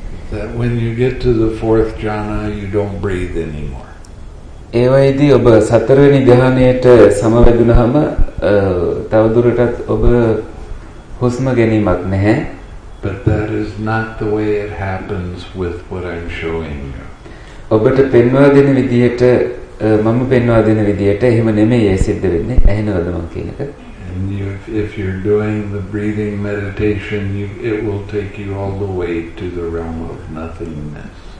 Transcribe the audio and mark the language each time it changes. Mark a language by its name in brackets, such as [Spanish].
[English] that when you get to the fourth jhana you don't breathe anymore. [Sinhala] ඒවයිදී ඔබ සතරවෙනි ධ්‍යානයට සමවැදුනහම තවදුරටත් ඔබ හුස්ම ගැනීමක් නැහැ. [English] But that is not the way it happens with what I'm showing you. [Sinhala] ඔබට පෙන්වා දෙන විදිහට මම පෙන්වා දෙන විදිහට එහෙම නෙමෙයි ඒ සිද්ධ වෙන්නේ ඇහෙනවද මං කියන එක. [English] If you're doing the breathing meditation, it will take you all the way to the realm of nothingness.